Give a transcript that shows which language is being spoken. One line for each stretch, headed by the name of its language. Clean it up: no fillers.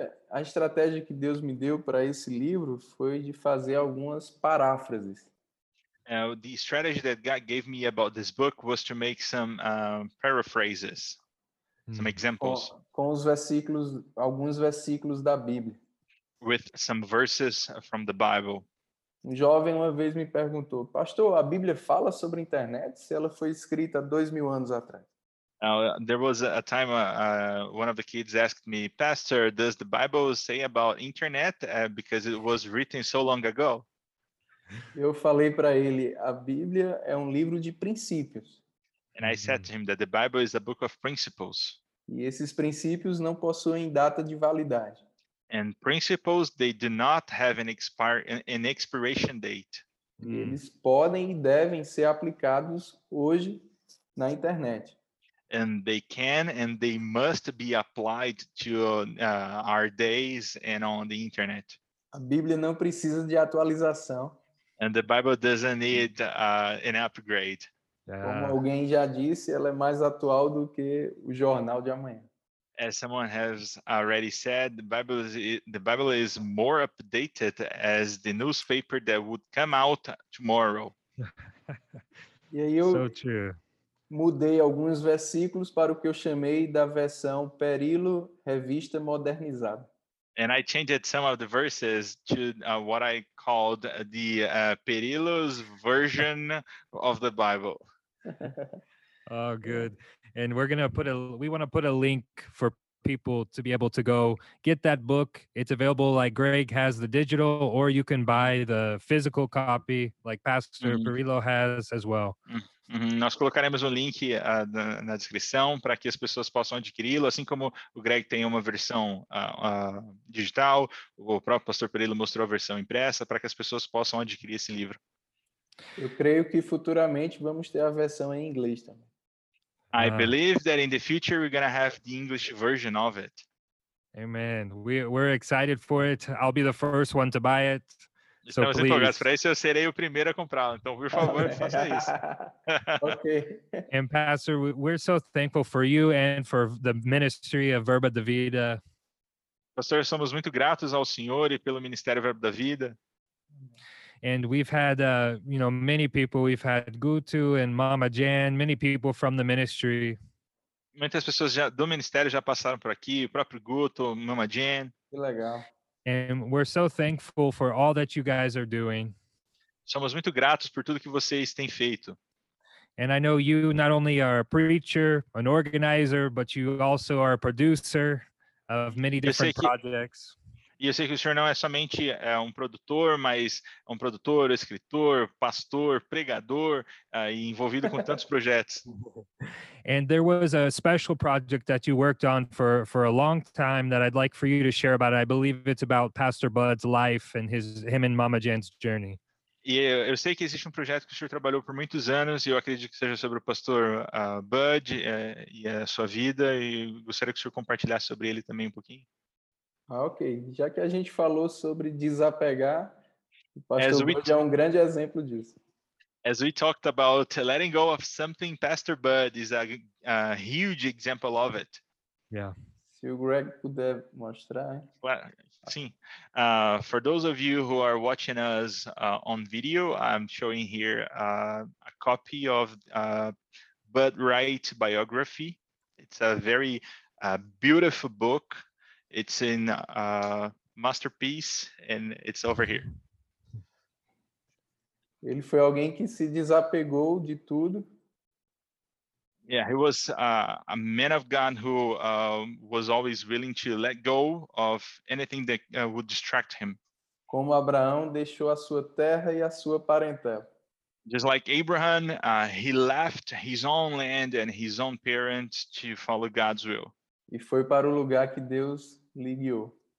Portuguese: A estratégia que Deus me deu para esse livro foi de fazer algumas paráfrases.
English: The strategy that God gave me about this book was to make some paraphrases, some examples.
Portuguese: Com os versículos, alguns versículos da Bíblia.
English: With some verses from the Bible.
Portuguese: Um jovem uma vez me perguntou, pastor, a Bíblia fala sobre a internet se ela foi escrita há 2000 anos atrás?
English: There was a time one of the kids asked me, pastor, does the Bible say about internet because it was written so long ago?
Portuguese: Eu falei para ele, a Bíblia é um livro de princípios.
English: And I said to him that the Bible is a book of principles.
Portuguese: E esses princípios não possuem data de validade.
English: And principles, they do not have an expiration date.
Portuguese: Eles podem e devem ser aplicados hoje na internet.
English: And they can and they must be applied to our days and on the internet.
Portuguese: A Bíblia não precisa de atualização.
English: And the Bible doesn't need an upgrade.
Portuguese: Como alguém já disse, ela é mais atual do que o jornal de amanhã.
English: As someone has already said, the Bible is more updated as the newspaper that would come out tomorrow.
Portuguese: E aí eu
English: so true.
Portuguese: Mudei alguns versículos para o que eu chamei da versão Perilo Revista Modernizada.
English: And I changed some of the verses to what I called the Perilo's version of the Bible. Oh, good. And we want to put a link for people to be able to go get that book. It's available, like Greg has the digital, or you can buy the physical copy, like Pastor Perilo has as well.
Portuguese: Nós colocaremos um link na descrição para que as pessoas possam adquiri-lo, assim como o Greg tem uma versão digital, o próprio Pastor Perilo mostrou a versão impressa, para que as pessoas possam adquirir esse livro. Eu creio que futuramente vamos ter a versão em inglês também.
English: I believe that in the future we're going to have the English version of it. Amen. We're excited for it. I'll be the first one to buy it. So
Portuguese: estamos empolgados para isso, eu serei o primeiro a comprá-lo. Então, por favor, faça isso.
English: Okay. And Pastor, we're so thankful for you and for the ministry of Verba da Vida.
Portuguese: Pastor, somos muito gratos ao Senhor e pelo Ministério Verba da Vida.
English: And we've had, many people. We've had Gutu and Mama Jan, many people from the ministry.
Portuguese: Muitas pessoas do ministério já passaram por aqui, o próprio Gutu, Mama Jan. Que legal.
English: And we're so thankful for all that you guys are doing.
Portuguese: Somos muito gratos por tudo que vocês têm feito.
English: And I know you not only are a preacher, an organizer, but you also are a producer of many different projects.
Portuguese: E eu sei que o senhor não é somente um produtor, mas um produtor, escritor, pastor, pregador, envolvido com tantos projetos.
English: And there was a special project that you worked on for a long time that I'd like for you to share about. I believe it's about Pastor Bud's life and him and Mama Jan's journey.
Portuguese: E eu sei que existe um projeto que o senhor trabalhou por muitos anos, e eu acredito que seja sobre o pastor Bud e a sua vida, e gostaria que o senhor compartilhasse sobre ele também um pouquinho. Ah, ok. Já que a gente falou sobre desapegar, o pastor Bud é um grande exemplo disso.
English: As we talked about letting go of something, Pastor Bud is a huge example of it. Yeah.
Portuguese: Se o Greg puder mostrar.
English: Well,
Portuguese: sim.
English: For those of you who are watching us on video, I'm showing here a copy of Bud Wright biography. It's a very beautiful book. It's in a masterpiece, and it's over here.
Portuguese: Ele foi alguém que se desapegou de tudo.
English: Yeah, he was a man of God who was always willing to let go of anything that would distract him.
Portuguese: Como Abraão deixou a sua terra e a sua parentela.
English: Just like Abraham, he left his own land and his own parents to follow God's will.
Portuguese: E foi para o lugar que Deus lhe guiou.